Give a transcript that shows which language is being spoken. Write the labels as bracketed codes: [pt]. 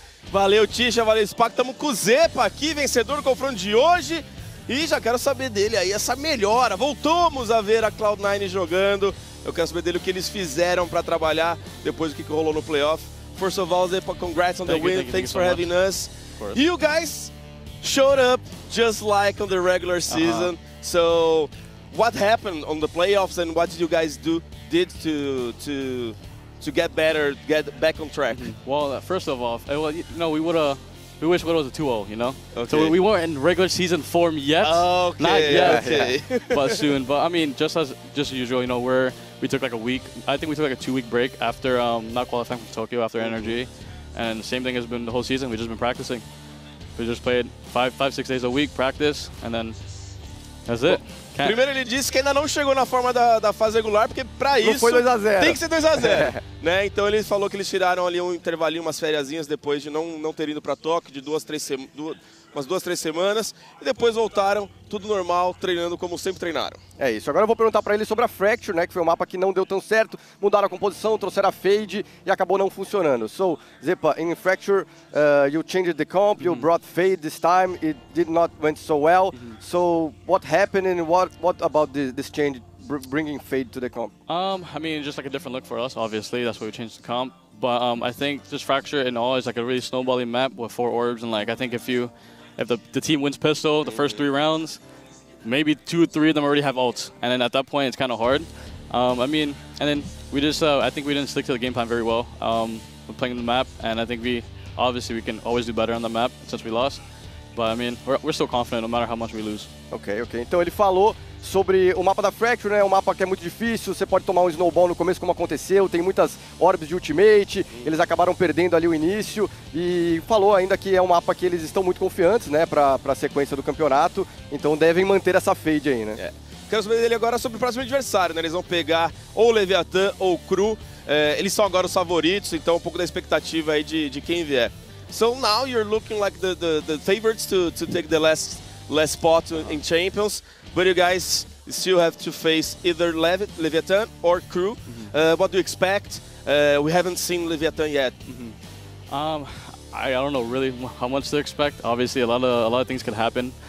[pt] Valeu, Tisha, valeu, Spaka. Tamo com o Zepa aqui, vencedor do confronto de hoje. E já quero saber dele aí, essa melhora. Voltamos a ver a Cloud9 jogando. Eu quero saber dele o que eles fizeram pra trabalhar depois do que rolou no playoff. [en] First of all, Zepa, congrats on the win. Thanks for having us. You guys showed up just like on the regular season. So, what happened on the playoffs and what did you guys did to get better, get back on track? Well, first of all, we wish it was a 2-0, you know? Okay. So we weren't in regular season form yet. Okay, not yet, okay. But soon. But I mean, just as usual, you know, we took like a week. I think we took like a 2-week break after not qualifying from Tokyo, after NRG. And same thing has been the whole season. We've just been practicing. We just played five, six days a week, practice, and then that's it. Well, [pt] primeiro ele disse que ainda não chegou na forma da fase regular, porque pra isso foi 2-0. Tem que ser 2-0. Né? Então ele falou que eles tiraram ali um intervalinho, umas fériasinhas depois de não ter ido pra Tóquio, de umas duas, três semanas. E depois voltaram, tudo normal, treinando como sempre treinaram. É isso. Agora eu vou perguntar pra ele sobre a Fracture, né? Que foi um mapa que não deu tão certo. Mudaram a composição, trouxeram a Fade e acabou não funcionando. [en] So, Zepa, in Fracture, you changed the comp, you brought Fade this time. It did not went so well. So, what happened and what about this change bringing Fade to the comp? I mean, just like a different look for us, obviously. That's why we changed the comp. But I think this Fracture in all is like a really snowballing map with four orbs. And like, I think if the team wins pistol the first three rounds, maybe two or three of them already have ults. And then at that point, it's kind of hard. I think we didn't stick to the game plan very well when playing the map. And I think we can always do better on the map since we lost. But I mean, we're still confident no matter how much we lose. Okay. [pt] Então ele falou sobre o mapa da Fracture, né? Um mapa que é muito difícil, você pode tomar um snowball no começo, como aconteceu, tem muitas orbs de ultimate, eles acabaram perdendo ali o início, e falou ainda que é um mapa que eles estão muito confiantes, né, pra sequência do campeonato, então devem manter essa fade aí, né? É. Quero saber dele agora sobre o próximo adversário, né? Eles vão pegar ou o Leviatã ou o Cru, eles são agora os favoritos, então um pouco da expectativa aí de quem vier. [en] So now you're looking like the favorites to take the last spot in Champions. But you guys still have to face either Leviathan or Cru. What do you expect? We haven't seen Leviathan yet. I don't know really how much to expect. Obviously, a lot of things could happen.